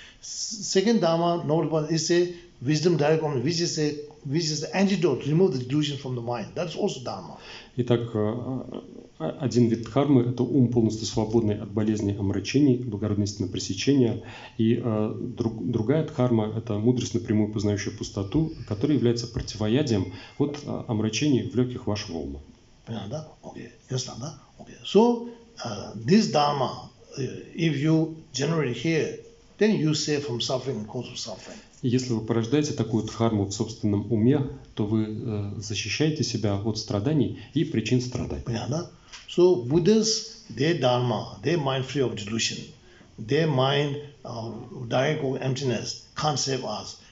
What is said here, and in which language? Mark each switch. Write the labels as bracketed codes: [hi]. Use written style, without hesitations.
[en] Second dharma, noble path, is a wisdom direct on which is the antidote, remove the delusion from the mind. That's also dharma. [ru] Итак, один вид дхармы – это ум, полностью свободный от болезней омрачений, благородная истина пресечения. И другая дхарма – это мудрость, напрямую познающая пустоту, которая является противоядием от омрачений в легких вашего ума. Понятно, да? Окей. Ясно, да? Окей. [en] So, this dharma, if you generally hear, then you save from suffering and cause of suffering. [ru] Если вы порождаете такую дхарму в собственном уме, то вы защищаете себя от страданий и причин страданий. Понятно? [en] So Buddhas, their dharma, their mind free of delusion, their mind direct of emptiness can't save us.